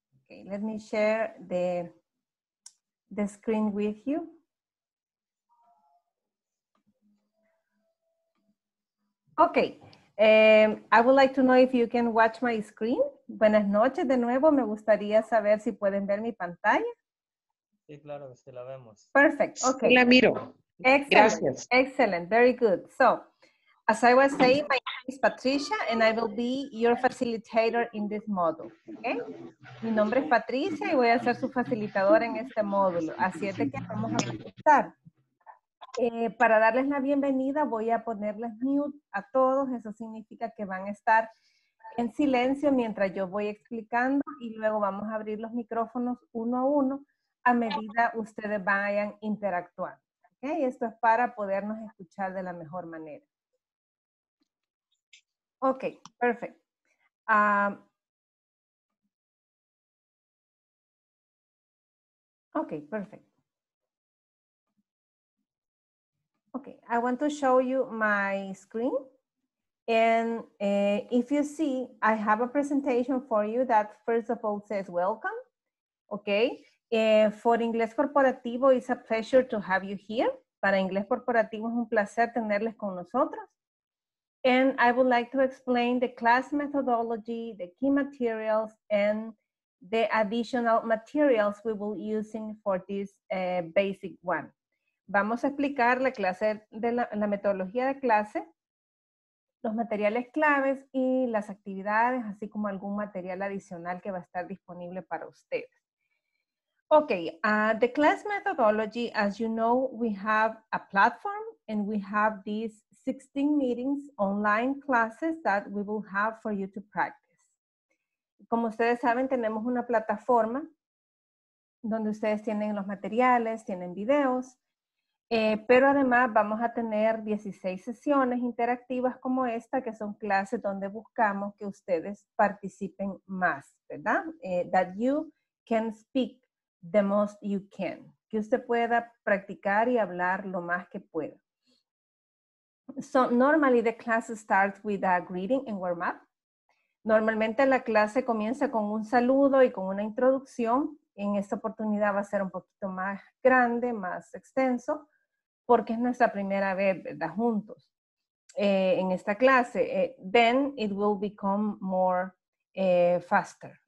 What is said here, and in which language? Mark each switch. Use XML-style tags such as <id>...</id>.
<en>Okay, let me share the screen with you. Okay, I would like to know if you can watch my screen.</en> <es>Buenas noches de nuevo. Me gustaría saber si pueden ver mi pantalla. Sí, claro, sí la vemos.</es> <en>Perfect, okay.</en> <es>La miro.</es> <en>Excellent, very good. So, as I was saying, my name is Patricia and I will be your facilitator in this module, okay?</en> <es>Mi nombre es Patricia y voy a ser su facilitadora en este módulo. Así es de que vamos a empezar. Para darles la bienvenida, voy a ponerles mute a todos. Eso significa que van a estar en silencio mientras yo voy explicando y luego vamos a abrir los micrófonos uno a uno a medida ustedes vayan interactuando, okay? Esto es para podernos escuchar de la mejor manera. Ok, perfecto. Ok, perfecto.</es> <en>Ok, I want to show you my screen. And if you see, I have a presentation for you that first of all says welcome. Ok, for Inglés Corporativo, it's a pleasure to have you here.</en> <es>Para Inglés Corporativo es un placer tenerles con nosotros.</es> <en>And I would like to explain the class methodology, the key materials, and the additional materials we will be using for this basic one.</en> <es>Vamos a explicar la clase de la metodología de clase, los materiales claves y las actividades, así como algún material adicional que va a estar disponible para ustedes.</es> <en>Okay, the class methodology, as you know, we have a platform and we have these 16 meetings, online classes that we will have for you to practice.</en> <es>Como ustedes saben, tenemos una plataforma donde ustedes tienen los materiales, tienen videos, pero además vamos a tener 16 sesiones interactivas como esta, que son clases donde buscamos que ustedes participen más, ¿verdad?</es> <en>That you can speak the most you can,</en> <es>que usted pueda practicar y hablar lo más que pueda.</es> <en>So, normally the class starts with a greeting and warm up.</en> <es>Normalmente la clase comienza con un saludo y con una introducción. En esta oportunidad va a ser un poquito más grande, más extenso, porque es nuestra primera vez, ¿verdad? Juntos en esta clase.</es> <en>Then it will become more faster.</en>